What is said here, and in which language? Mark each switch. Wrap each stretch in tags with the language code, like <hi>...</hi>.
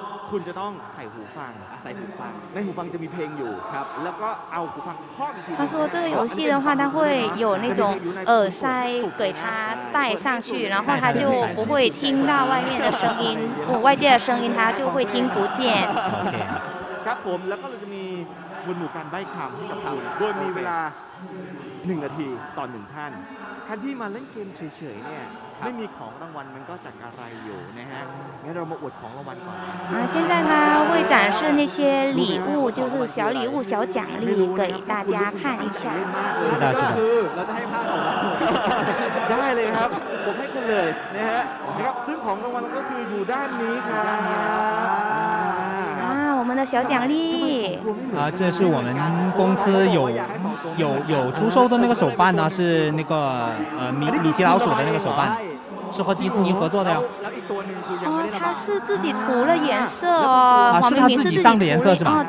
<th>คุณจะต้องใส่หูฟังใส่หูฟังในหูฟังจะมีเพลงอยู่ครับแล้วก็เอาหูฟังครอบ</th> <zh>他说这个游戏的话他会有那种耳塞给他戴上去，然后他就不会听到外面的声音，外界的声音他就会听不见。</zh> <th>ครับผมแล้วก็เราจะมีวนหมู่การใบ้คำให้กับคุณโดยมีเวลา1นาทีต่อ1ท่านท่านที่มาเล่นเกมเฉยๆเนี่ยไม่มีของรางวัลมันก็จัดอะไรอยู่นะฮะงั้นเรามาอวดของรางวัลก่อน</th> <zh>现在他会展示那些礼物就是小礼物小奖励给大家看一下是的是的</zh> <th>เราจะให้ภาพของเราได้เลยครับผมให้คุณเลยนะฮะนะครับซึ่งของรางวัลก็คืออยู่ด้านนี้ครับ</th> <zh>我们的小奖励啊，这是我们公司有出售的那个手办呢，是那个米奇老鼠的那个手办，是和迪士尼合作的呀。他是自己涂了颜色哦。是他自己上的颜色是吧？</zh>